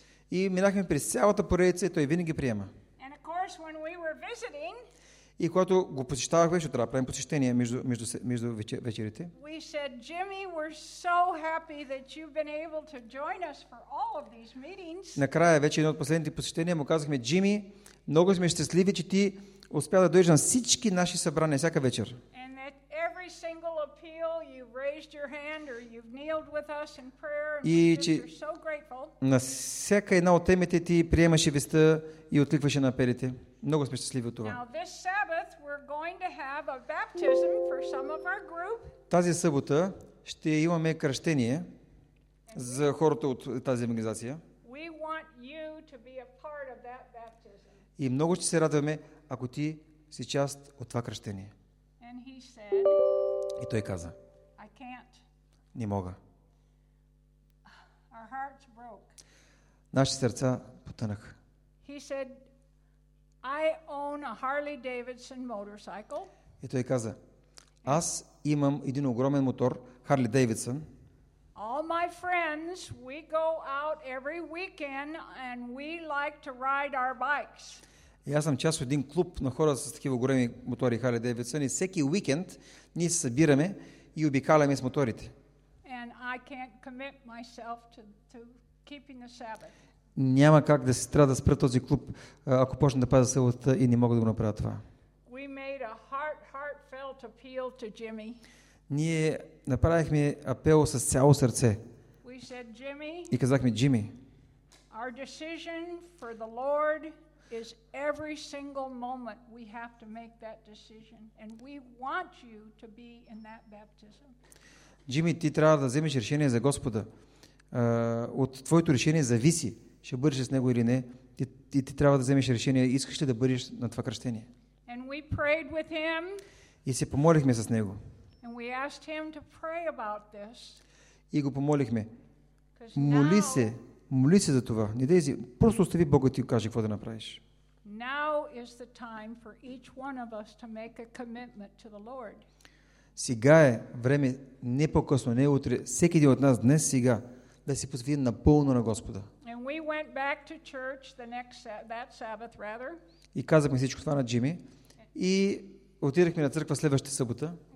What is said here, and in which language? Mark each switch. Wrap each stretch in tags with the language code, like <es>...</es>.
<bg>И минахме през цялата поредица и той винаги приема.</bg> <en>And of course, when we were visiting,</en> <bg>и когато го посещавахме, ще трябва да правим посещение между вечерите.</bg> <en>We said, Jimmy, we're so happy that you've been able to join us for all of these meetings.</en> <bg>Накрая, вече едно от последните посещения, му казахме, Джимми, много сме щастливи, че ти успя да дойдеш на всички наши събрания всяка вечер.</bg> <en>And that every single appeal, you've raised your hand or you've kneeled with us in prayer, and we're so grateful.</en> <bg>На всяка една от темите ти приемаше веста и откликваше на апелите. Много сме щастливи от това.</bg> <en>Now this Sabbath we're going to have a baptism for some of our group.</en> <bg>Тази събота ще имаме кръщение за хората от тази организация.</bg> <en>We want you to be a part of that baptism.</en> <bg>И много ще се радваме, ако ти си част от това кръщение.</bg> <en>And he said,</en> <bg>и той каза,</bg> <en>I can't.</en> <bg>Не мога.</bg> <en>Our hearts broke.</en> <bg>Наши сърца потънаха.</bg> <en>He said, I own a Harley Davidson motorcycle.</en> <bg>И той каза, аз имам един огромен мотор, Harley Davidson.</bg> <en>All my friends, we go out every weekend and we like to ride our bikes.</en> <bg>И аз съм част от един клуб на хора с такива големи мотори Harley Davidson и всеки уикенд ние се събираме и обикаляме с моторите.</bg> <en>And I can't commit myself to keeping the Sabbath.</en> <bg>Няма как да се трябва да спра този клуб, ако почна да пазя събота и не мога да го направя това.</bg> <en>We made a heartfelt appeal to Jimmy.</en> <bg>Ние направихме апел с цяло сърце.</bg> <en>We said, Jimmy,</en> <bg>и казахме, Джимми,</bg> <en>our decision for the Lord is every single moment we have to make that decision. And we want you to be in that baptism.</en> <bg>Джимми, ти трябва да вземеш решение за Господа. От твоето решение зависи, ще бъдеш с Него или не. Ти трябва да вземеш решение, искаш ли да бъдеш на това кръщение.</bg> <en>And we prayed with him,</en> <bg>и се помолихме с Него.</bg> <en>And we asked him to pray about this.</en> <bg>И го помолихме. Моли се, моли се за това. Не дейзи, просто остави Бога ти каже какво да направиш.</bg> <en>Now is the time for each one of us to make a commitment to the Lord.</en> <bg>Сега е време, не по-късно, не утре, всеки един от нас днес сега да се посвети напълно на Господа.</bg> <en>And we went back to church the next that Sabbath rather.</en> <bg>И казахме всичко това на Джимми и отидохме на църква следващата събота.</bg>